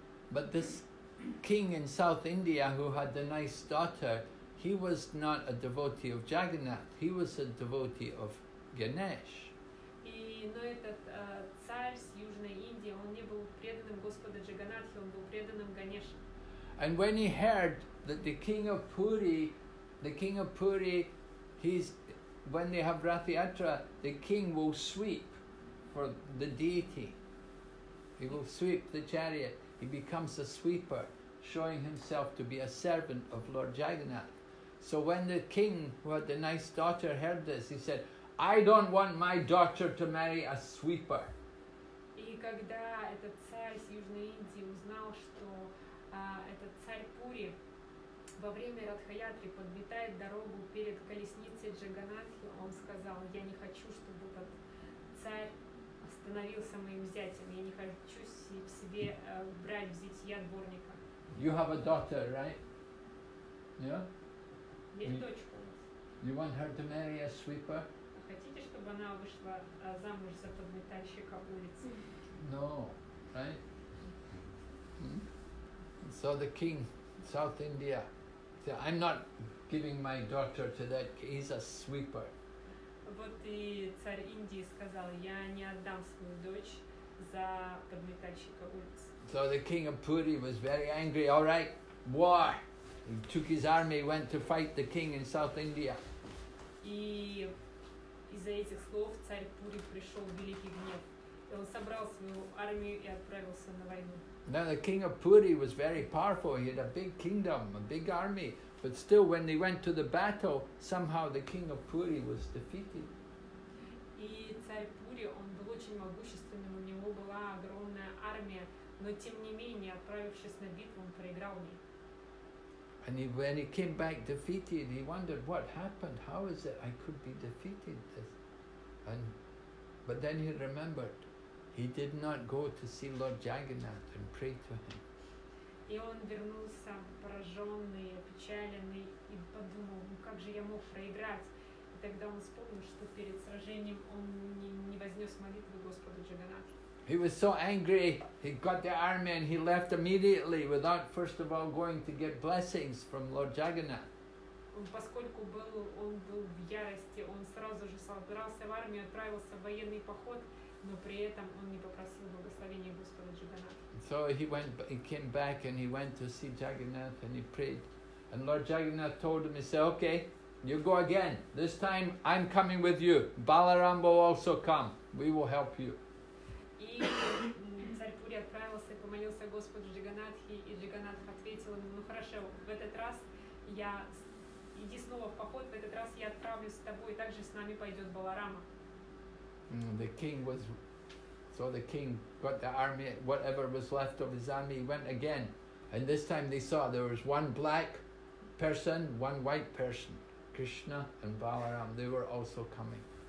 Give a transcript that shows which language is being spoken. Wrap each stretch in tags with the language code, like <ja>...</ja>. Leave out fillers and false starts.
<en>But this king in South India who had the nice daughter, he was not a devotee of Jagannath, he was a devotee of Ganesh.</en> <ru>И но этот царь с Южной Индии, он не был преданным Господа Джаганнатхи, он был преданным Ганеше.</ru> <en>And when he heard that the king of Puri, he's when they have Rath Yatra, the king will sweep for the deity. He will sweep the chariot. He becomes a sweeper, showing himself to be a servant of Lord Jagannath. So when the king, who had the nice daughter, heard this, he said, I don't want my daughter to marry a sweeper.</en> <ru>И когда этот царь с Южной Индии узнал, что этот царь Пури во время Радхаятри подметает дорогу перед колесницей Джаганнатхи, он сказал, я не хочу, чтобы этот царь становился моим зятем, я не хочу себе брать в зятья дворника.</ru> <en>You have a daughter, right? Yeah?</en> <ru>Дочку.</ru> <en>You want her to marry a sweeper?</en> <ru>Хотите, чтобы она вышла замуж за подметальщика улицы?</ru> <en>No, right? So the king, South India, said, I'm not giving my daughter to that, he's a sweeper.</en> <ru>Вот и царь Индии сказал, я не отдам свою дочь за подметальщика улицы.</ru> <en>So the king of Puri was very angry, all right, war! He took his army, went to fight the king in South India.</en> <ru>И из-за этих слов царь Пури пришел в великий гнев. Он собрал свою армию и отправился на войну.</ru> <en>Now the king of Puri was very powerful. He had a big kingdom, a big army. But still, when they went to the battle, somehow the king of Puri was defeated.</en> <ru>И царь Пури, он был очень могущественным, у него была огромная армия, но тем не менее, отправившись на битву, он проиграл ей.</ru> <en>And when he came back defeated, he wondered, what happened? How is it I could be defeated? But then he remembered, he did not go to see Lord Jagannath and pray to him.</en> <ru>И он вернулся пораженный, опечаленный, и подумал, ну как же я мог проиграть? И тогда он вспомнил, что перед сражением он не вознес молитвы Господу Джаганнатху.</ru> <en>He was so angry, he got the army and he left immediately without first of all going to get blessings from Lord Jagannath.</en> <ru>Поскольку он был в ярости, он сразу же собрался в армию, отправился в военный поход, но при этом он не попросил благословения Господа Джаганнатха.</ru> <en>So he came back and he went to see Jagannath and he prayed. And Lord Jagannath told him, he said, okay, you go again. This time I'm coming with you. Balaram will also come. We will help you.</en> <ru>И царь Пури отправился и помолился Господу Джаганнатхи, и Джаганнатх ответил ему, ну хорошо, в этот раз я иди снова в поход, в этот раз я отправлюсь с тобой, и также с нами пойдет Баларама.</ru> <en>The king was, so the king got the army, whatever was left of his army, he went again. And this time they saw there was one black person, one white person, Krishna and Balaram, they were also coming.</en>